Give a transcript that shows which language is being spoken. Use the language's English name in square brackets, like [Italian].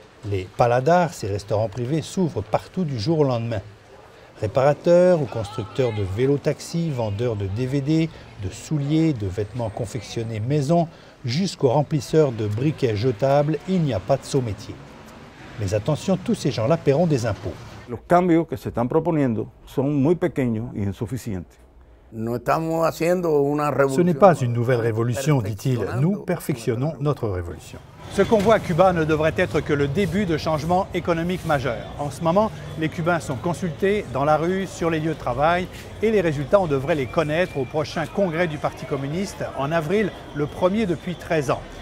[French] Les paladars, ces restaurants privés, s'ouvrent partout du jour au lendemain. Réparateurs ou constructeurs de vélo-taxis, vendeurs de DVD, de souliers, de vêtements confectionnés maison, jusqu'aux remplisseurs de briquets jetables, il n'y a pas de saut métier. Mais attention, tous ces gens-là paieront des impôts. [Spanish] Los cambios que se están proponiendo son muy pequeños y insuficientes. [French] Ce n'est pas une nouvelle révolution, dit-il. Nous perfectionnons notre révolution. Ce qu'on voit à Cuba ne devrait être que le début de changements économiques majeurs. En ce moment, les Cubains sont consultés dans la rue, sur les lieux de travail, et les résultats, on devrait les connaître au prochain congrès du Parti communiste en avril, le premier depuis 13 ans.